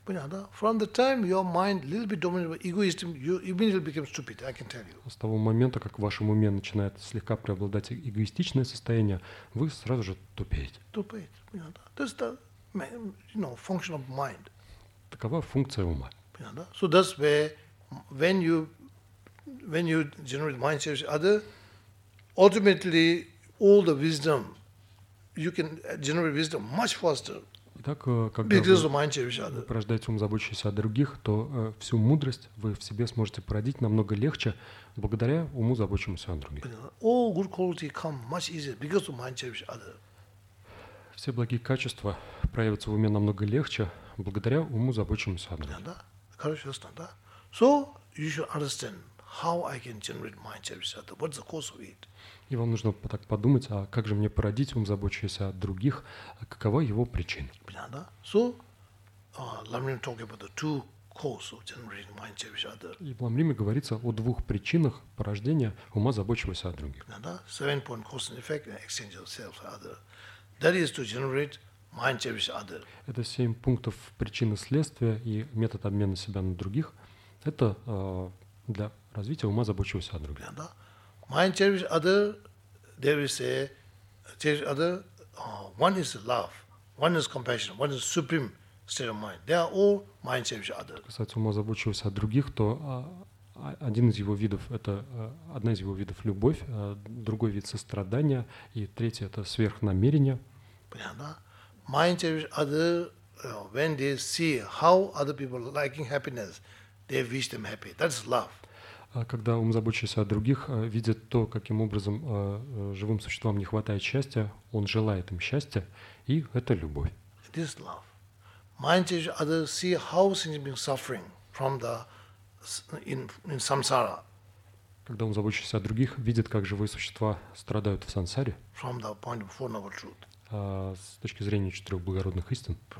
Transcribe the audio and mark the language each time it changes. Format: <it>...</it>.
<ru>Понятно.</ru> <en>From the time your mind a little bit dominated by egoism, you immediately become stupid. I can tell you.</en> <ru>С того момента, как в вашем уме начинает слегка преобладать эгоистичное состояние, вы сразу же тупеть. Тупеть, понятно. То есть,</ru> <en>you know, function of mind.</en> <ru>Такова функция ума. Понятно.</ru> <en>So that's where, when you generate mind change other, ultimately all the wisdom, you can generate wisdom much faster.</en> <ru>Итак, когда вы порождаете ум, заботящийся о других, то всю мудрость вы в себе сможете породить намного легче благодаря уму, заботящемуся о других.</ru> <en>All good qualities come much easier because of mind cherish other.</en> <ru>Все благие качества проявятся в уме намного легче благодаря уму, заботящемуся о других. Хорошо, ясно, да?</ru> <en>So you should understand how I can generate mind cherish other. What's the cause of it?</en> <ru>И вам нужно так подумать, а как же мне породить ум, заботящийся о других, какова его причина? Понятно, да?</ru> <en>So, Ламрим talk about the two causes of generating mind cherish other.</en> <ru>И в Ламриме говорится о двух причинах порождения ума, заботящегося о других. Понятно, да?</ru> <en>Seven point cause and effect and exchange of self for other. That is to generate mind cherish other.</en> <ru>Это семь пунктов причины следствия и метод обмена себя на других. Это для развития ума, заботящегося о других. Понятно, да?</ru> <en>Mind cherish other, there is a cherish other. One is love, one is compassion, one is supreme state of mind. They are all mind cherish other.</en> <ru>Касается ума, заботящегося о других, то один из его видов это одна из его видов любовь, другой вид сострадания и третий это сверхнамерение. Понятно.</ru> <en>Mind cherish other when they see how other people liking happiness, they wish them happy. That's love.</en> <ru>Когда ум, заботящийся о других, видит то, каким образом живым существам не хватает счастья, он желает им счастья, и это любовь.</ru> <en>It is love. Mind cherish other see how sentient beings suffering from the in samsara.</en> <ru>Когда ум, заботящийся о других, видит, как живые существа страдают в сансаре.</ru> <en>From the point of four noble truth.</en> <ru>С точки зрения четырех благородных истин.</ru>